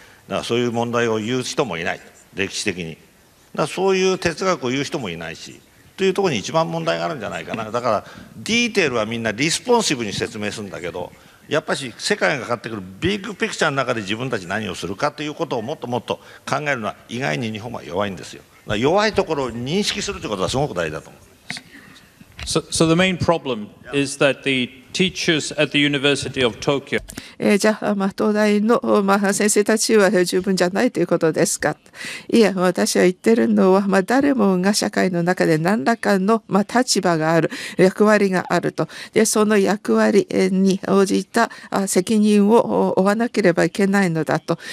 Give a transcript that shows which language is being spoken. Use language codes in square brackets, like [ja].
[ja] だからそういう問題を言う人もいない、歴史的に。だからそういう哲学を言う人もいないし、というところに一番問題があるんじゃないかな。だからディーテールはみんなリスポンシブに説明するんだけど、やっぱり世界がかかってくるビッグピクチャーの中で自分たち何をするかということをもっともっと考えるのは、意外に日本は弱いんですよ。だから弱いところを認識するということはすごく大事だと思う。 [en] So the main problem is that the teachers at the University of Tokyo. [ja] じゃあ、東大の、先生たちは十分じゃないということですか？いや、私は言ってるのは、誰もが社会の中で何らかの、立場がある、役割があると。で、その役割に応じた責任を負わなければいけないのだと。